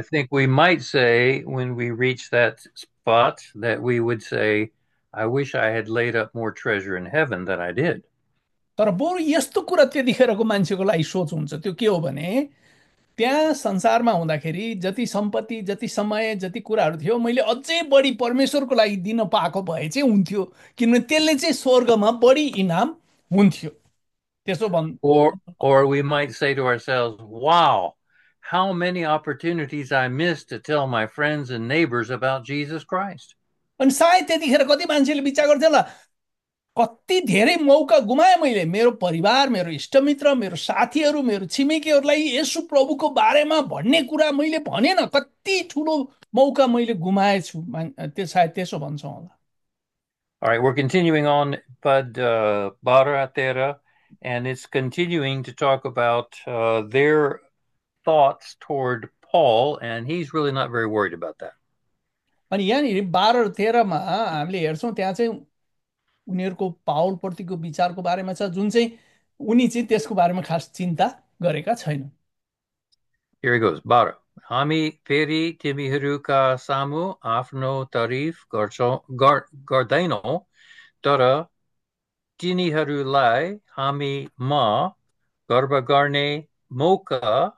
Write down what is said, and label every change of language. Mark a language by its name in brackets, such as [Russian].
[English] I think we might say when we reach that spot that we would say, I wish I had laid up more treasure in heaven than I did. [Nepali] तर बरु यस्तो कुरा त्यतिखेरको मान्छेको लागि सोच हुन्छ त्यो के हो भने त्यहाँ संसारमा हुँदाखेरि जति सम्पत्ति जति समय जति कुराहरू थियो मैले अझै बढी परमेश्वरको लागि दिन पाएको भए चाहिँ हुन्थ्यो किनभने त्यसले चाहिँ स्वर्गमा बढी इनाम हुन्थ्यो त्यसो भन् [English] Or we might say to ourselves, wow. How many opportunities I missed to tell my friends and neighbors about Jesus Christ. [Nepali] अनि सायद त्यतिखेर कति मान्छेले विचार गर्थ्यो होला कति धेरै मौका गुमाएँ मैले, मेरो परिवार, मेरो इष्टमित्र, मेरो साथीहरू, मेरो छिमेकीहरूलाई येशु प्रभुको बारेमा भन्ने कुरा मैले भनेन, कति ठुलो मौका मैले गुमाएछु, त्यो सायद त्यसो भन्छ होला। [English] All right, we're continuing on Pad 12 and it's continuing to talk about their thoughts toward Paul, and he's really not very worried about that. [Nepali] अनि यहाँनिर 12-13मा हामीले हेर्छौँ, त्यहाँ चाहिँ उनीहरूको पावलप्रतिको विचारको बारेमा छ, जुन चाहिँ उनी चाहिँ त्यसको बारेमा खास चिन्ता गरेका छैनन्। [English] Here he goes, Bara. [Nepali] हामी फेरि तिमीहरूका सामु आफ्नो तारिफ गर्छौ गर्दैनौ तर तिनीहरूलाई हामी मा गर्व गर्ने मौका